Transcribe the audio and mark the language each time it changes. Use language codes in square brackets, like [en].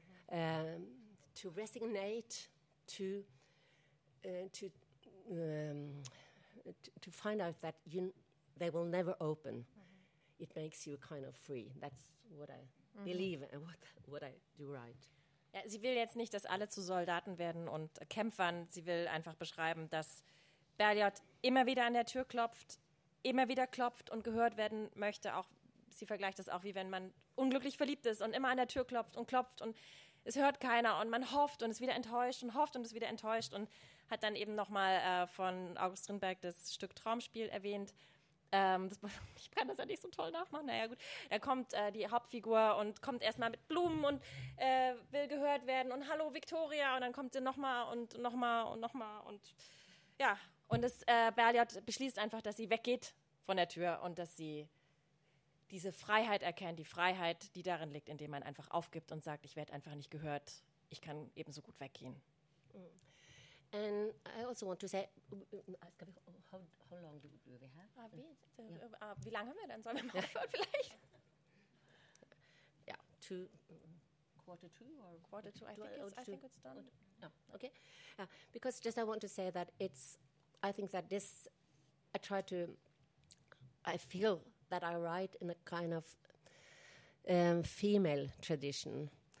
[en] To resignate, to find out that they will never open, mm-hmm. it makes you kind of free. That's what I mm-hmm. believe and what I do write. [de] Ja, sie will jetzt nicht, dass alle zu Soldaten werden und Kämpfern. Sie will einfach beschreiben, dass Bergljot immer wieder an der Tür klopft, immer wieder klopft und gehört werden möchte. Auch sie vergleicht das auch, wie wenn man unglücklich verliebt ist und immer an der Tür klopft und klopft und es hört keiner und man hofft und ist wieder enttäuscht und hofft und ist wieder enttäuscht und hat dann eben nochmal von August Strindberg das Stück Traumspiel erwähnt. Ich kann das ja nicht so toll nachmachen. Naja, gut. Da kommt die Hauptfigur und kommt erstmal mit Blumen und will gehört werden und hallo Victoria und dann kommt sie nochmal und nochmal und nochmal und ja. Und das Bergljot beschließt einfach, dass sie weggeht von der Tür und dass sie diese Freiheit erkennt, die Freiheit, die darin liegt, indem man einfach aufgibt und sagt, ich werde einfach nicht gehört, ich kann ebenso gut weggehen. [en] And I also want to say, how long do we have? [de] Wie lange haben wir denn? Sollen wir mal aufhören vielleicht? [en] Ja, quarter to or quarter to, I think it's done. Okay, because just I want to say that it's, I think that this, I try to, I feel that I write in a kind of female tradition.